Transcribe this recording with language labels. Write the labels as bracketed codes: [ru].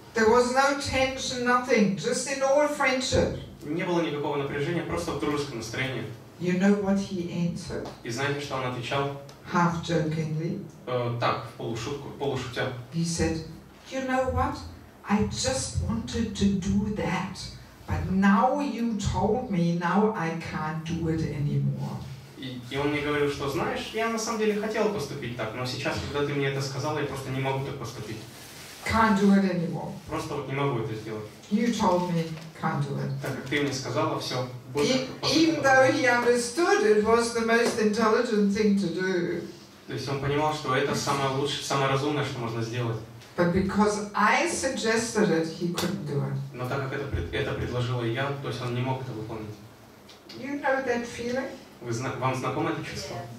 [en] There was no tension, nothing, just in all friendship. [ru] Не было никакого напряжения, просто в дружеском настроении. [en] You know what he answered? [ru] И знаете, что он отвечал? [en] Half jokingly. [ru] Так, в полушутку, в полушутя. [en] He said, you know what? I just wanted to do that. But now you told me, now I can't do it anymore. [ru] И он мне говорил, что знаешь, я на самом деле хотел поступить так, но сейчас, когда ты мне это сказал, я просто не могу так поступить. [en] Can't do it anymore. [ru] Просто вот не могу это сделать. [en] You told me, can't do it. [ru] Так как ты мне сказала, все. [en] Even though he understood, it was the most intelligent thing to do. [ru] То есть он понимал, что это самое лучшее, самое разумное, что можно сделать. [en] But because I suggested it, he couldn't do it. [ru] Но так как это предложила я, то есть он не мог это выполнить. [en] You know that feeling? [ru] Вам знакомо это чувство?